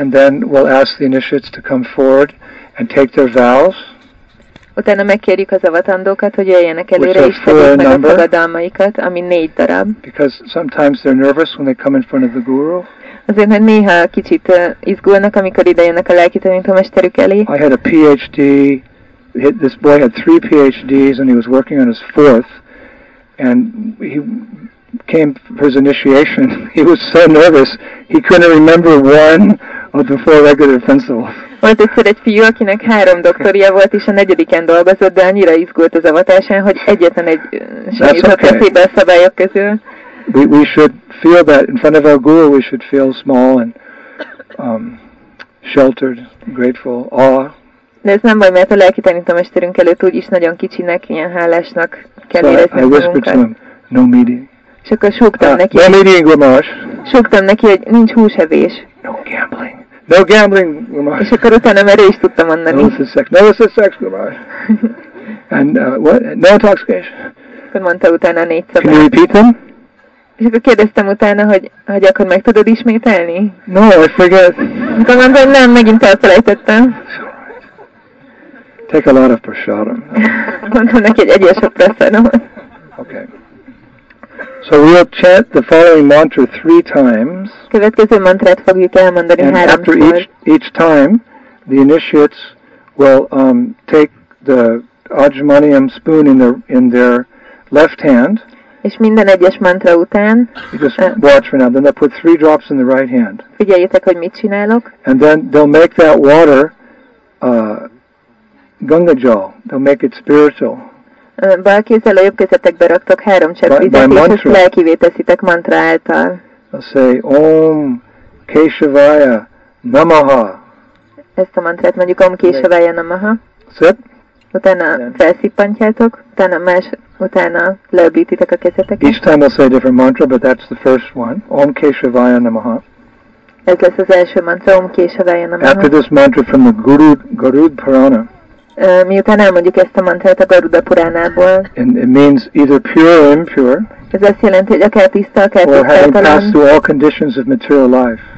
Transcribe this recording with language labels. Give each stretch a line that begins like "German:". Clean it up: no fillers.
English: and then we'll ask the initiates to come forward and take their vows.
Hungarian: Utána megkérjük az avatandókat, hogy jöjjenek előre és tegyék meg a fogadalmaikat, ami 4 darab.
English: Because sometimes they're nervous when they come in front of the guru.
Hungarian: Azért, mert néha kicsit izgulnak, amikor idejönnek a lelki tanítómesterük elé.
English: I had a PhD. This boy had 3 PhDs and he was working on his 4th. And he came for his initiation. He was so nervous. He couldn't remember one of the 4 regular principles.
Hungarian: Volt egyszer egy fiú, akinek 3 doktoria volt, és a 4. dolgozott, de annyira izgult az avatásán, hogy egyetlen egy sem jutott eszébe a szabályok közül.
English: We should feel that in front of our guru, we should feel small and sheltered, grateful, awe.
Hungarian: De ez nem baj, mert a lelki tanítómesterünk előtt úgyis nagyon kicsinek, ilyen hálásnak kell érezni magunkat.
English: I whispered to him, no meeting.
Hungarian: És akkor súgtam neki,
English: no meeting, Gamash.
Hungarian: Súgtam neki, hogy nincs húsevés.
English: No gambling. No gambling, Gamash.
Hungarian: És akkor utána már is tudtam mondani.
English: No illicit sex. No illicit sex, Gamash. And what? No intoxication.
Hungarian: Akkor mondta utána 4 szabály.
English: Can you repeat them?
Hungarian: És akkor kérdeztem utána, hogy akkor meg tudod ismételni?
English: No, I forget.
Hungarian: Akkor mondta, hogy nem, megint elfelejtettem.
English: Take a lot of prasadam.
Hungarian: Mondta neki egy egyes a prasadamot.
English: Okay. So we'll chant the following mantra 3 times.
Hungarian: Következő mantrát fogjuk elmondani 3-szor.
English: And after each time, the initiates will take the ajmanium spoon in their left hand.
Hungarian: És minden egyes mantra után.
English: You just watch for now. Then they'll put 3 drops in the right hand.
Hungarian: Figyeljétek, hogy mit csinálok.
English: And then they'll make that water Ganga Jal. They'll make it spiritual.
Hungarian: Bal kézzel a jobb kezetekbe raktok 3 csepp vizet, és ezt lelkivé teszitek mantra által.
English: I'll say, Om Keshavaya Namaha.
Hungarian: Ezt a mantrát mondjuk, Om Keshavaya Namaha.
English: Sip.
Hungarian: Utána felszippantjátok, utána lebítitek a kezeteket.
English: Each time I'll say a different mantra, but that's the first one.
Sanskrit: Om Keshavaya Namaha.
Hungarian: Ez lesz az első mantra, Om Keshavaya Namaha.
English: After this mantra from the Garuda Purana.
Hungarian: Miután elmondjuk ezt a mantrát a Garuda Puránából.
English: And it means either pure or impure.
Hungarian: Ez azt jelenti, hogy akár tiszta, akár tiszteltelen.
English: Or having passed through all conditions of material life.